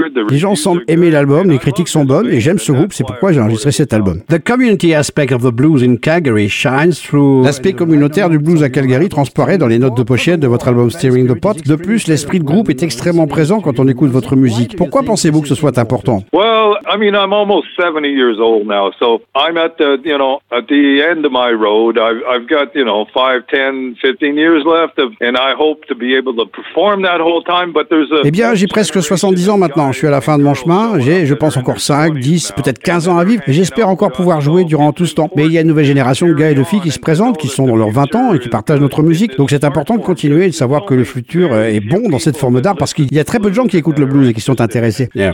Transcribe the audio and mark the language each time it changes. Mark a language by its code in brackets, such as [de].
[fr] Les gens semblent aimer l'album, les critiques sont bonnes et j'aime ce groupe, c'est pourquoi j'ai enregistré cet album. [en] The community aspect of the blues in Calgary shines through... [fr] L'aspect communautaire du blues à Calgary transparaît dans les notes de pochette de votre album Stirring the Pot. De plus, l'esprit de groupe est extrêmement présent quand on écoute votre musique. Pourquoi pensez-vous que ce soit important? [en] Well, I mean, I'm almost 70 years old now, so I'm at the, you know, at the end of my road. I've got, you know, 5, 10, 15 years left of, and I hope to be able to perform that whole time, but there's a... [fr] Eh bien, j'ai presque 70 ans maintenant. Je suis à la fin de mon chemin. J'ai, je pense, encore 5, 10, peut-être 15 ans à vivre. Et j'espère encore pouvoir jouer durant tout ce temps. Mais il y a une nouvelle génération de gars et de filles qui se présentent, qui sont dans leurs 20 ans et qui partagent notre musique. Donc c'est important de continuer et de savoir que le futur est bon dans cette forme d'art parce qu'il y a très peu de gens qui écoutent le blues et qui sont intéressés.